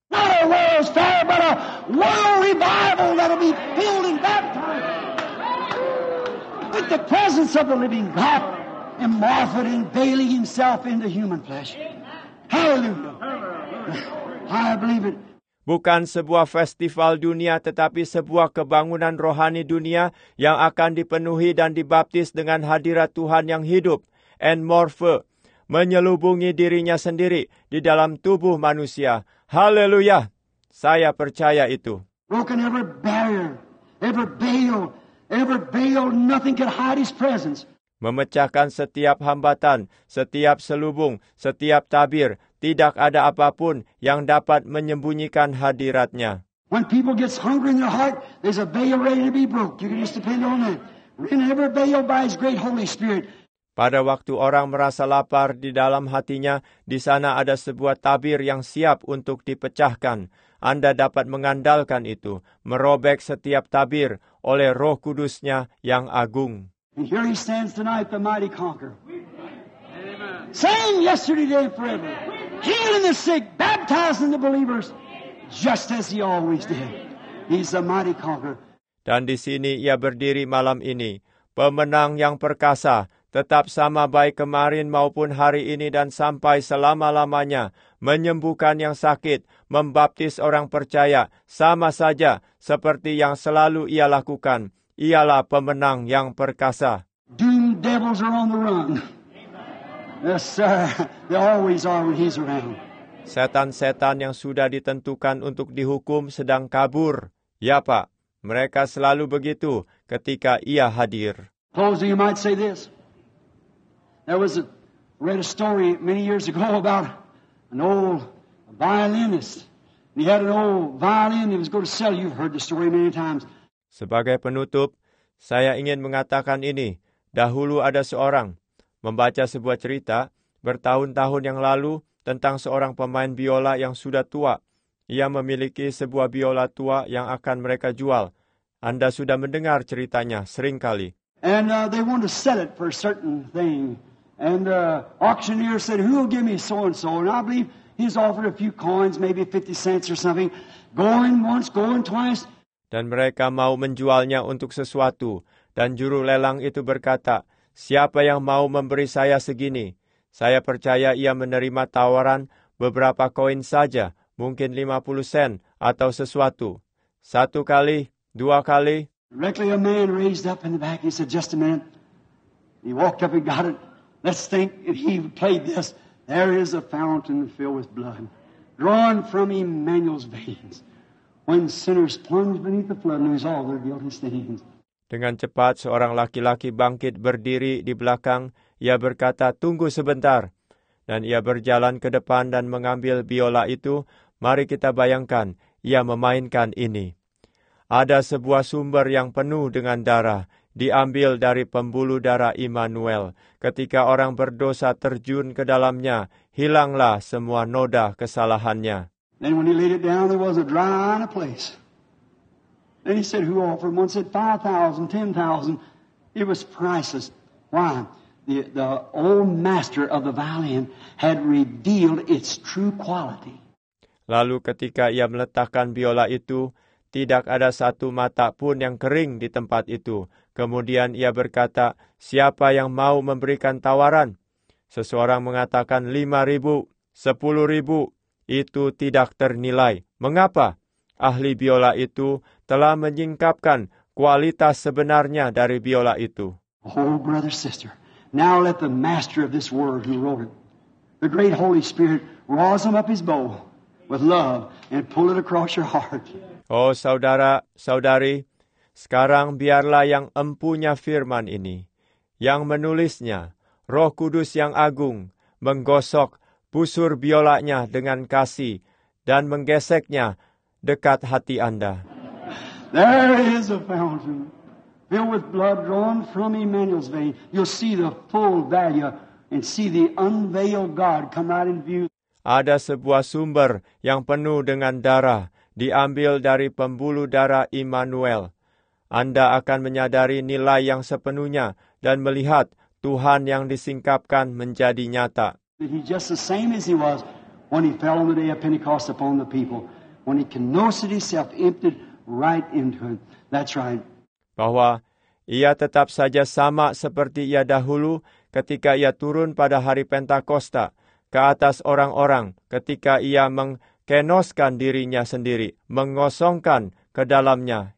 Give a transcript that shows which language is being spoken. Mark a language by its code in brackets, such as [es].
[en] Not a world's fair, but a world revival that'll be filled and baptized. With the presence of the living God, and Martha unveiling himself in the human flesh. Hallelujah. I believe it. [id] Bukan sebuah festival dunia, tetapi sebuah kebangunan rohani dunia yang akan dipenuhi dan dibaptis dengan hadirat Tuhan yang hidup, [en] and Martha, [id] menyelubungi dirinya sendiri di dalam tubuh manusia. Hallelujah. Saya percaya itu. [en] Broken every barrier, every veil. Every veil, nothing can hide his presence. [id] Memecahkan setiap hambatan, setiap selubung, setiap tabir, tidak ada apapun yang dapat menyembunyikan hadirat-Nya. [en] When people get hungry in their heart, there's a veil ready to be broke. You can just depend on that. Rend every veil by his great Holy Spirit. [id] Pada waktu orang merasa lapar di dalam hatinya, di sana ada sebuah tabir yang siap untuk dipecahkan. Anda dapat mengandalkan itu, merobek setiap tabir oleh Roh Kudus-Nya yang agung. [en] And here he stands tonight, the mighty conqueror. Same yesterday, today, and forever. Healing the sick, baptizing the believers, just as he always did. He's the mighty conqueror. [id] Dan di sini ia berdiri malam ini, pemenang yang perkasa, tetap sama baik kemarin maupun hari ini dan sampai selama-lamanya, menyembuhkan yang sakit, membaptis orang percaya, sama saja seperti yang selalu ia lakukan. Ialah pemenang yang perkasa. [en] Doomed devils are on the run. Yes, sir. They always are when he's around. [id] Setan-setan yang sudah ditentukan untuk dihukum sedang kabur. Ya, Pak. Mereka selalu begitu ketika ia hadir. [en] Closing, you might say this. There was a read a story many years ago about an old violinist. He had an old violin he was going to sell. You've heard the story many times. [id] Sebagai penutup, saya ingin mengatakan ini. Dahulu ada seorang membaca sebuah cerita bertahun-tahun yang lalu tentang seorang pemain biola yang sudah tua. Ia memiliki sebuah biola tua yang akan mereka jual. Anda sudah mendengar ceritanya sering kali. [en] And they want to sell it for a certain thing. And the auctioneer said, who will give me so-and-so? And I believe he's offered a few coins, maybe 50 cents or something. Going once, going twice. [id] Dan mereka mau menjualnya untuk sesuatu. Dan juru lelang itu berkata, siapa yang mau memberi saya segini? Saya percaya ia menerima tawaran beberapa koin saja, mungkin 50 sen atau sesuatu. Satu kali, dua kali. [en] Directly a man raised up in the back. He said, just a minute. He walked up and got it. Let's think if he played this. There is a fountain filled with blood, drawn from Emmanuel's veins. When sinners plunge beneath the flood, lose all their guilty stains. [id] Dengan cepat, seorang laki-laki bangkit berdiri di belakang. Ia berkata, tunggu sebentar. Dan ia berjalan ke depan dan mengambil biola itu. Mari kita bayangkan, ia memainkan ini. Ada sebuah sumber yang penuh dengan darah, diambil dari pembuluh darah Immanuel. Ketika orang berdosa terjun ke dalamnya, hilanglah semua noda kesalahannya. [en] Then when he laid it down, there was a dry eye in a place. Then he said, who offered? One said, 5,000, 10,000. It was priceless. Why? The old master of the violin had revealed its true quality. [id] Lalu ketika ia meletakkan biola itu, tidak ada satu mata pun yang kering di tempat itu. Kemudian ia berkata, siapa yang mau memberikan tawaran? Seseorang mengatakan 5,000, 10,000. Itu tidak ternilai. Mengapa? Ahli biola itu telah menyingkapkan kualitas sebenarnya dari biola itu. [en] Oh, brother, sister, now let the master of this world who wrote it, the great Holy Spirit, raise him up his bow with love and pull it across your heart. [id] Oh, saudara, saudari, sekarang biarlah yang empunya firman ini, yang menulisnya, Roh Kudus yang agung, menggosok, busur biolanya dengan kasih, dan menggeseknya dekat hati Anda. [en] There is a fountain filled with blood drawn from Emmanuel's vein. You'll see the full value and see the unveiled God come out in view. [id] Ada sebuah sumber yang penuh dengan darah, diambil dari pembuluh darah Immanuel. Anda akan menyadari nilai yang sepenuhnya dan melihat Tuhan yang disingkapkan menjadi nyata. [en] He's just the same as he was when he fell on the day of Pentecost upon the people, when he kenosed himself, emptied right into it. That's right. [id] Bahwa ia tetap saja sama seperti ia dahulu ketika ia turun pada hari Pentakosta ke atas orang-orang ketika ia mengkenoskan dirinya sendiri, mengosongkan ke dalamnya.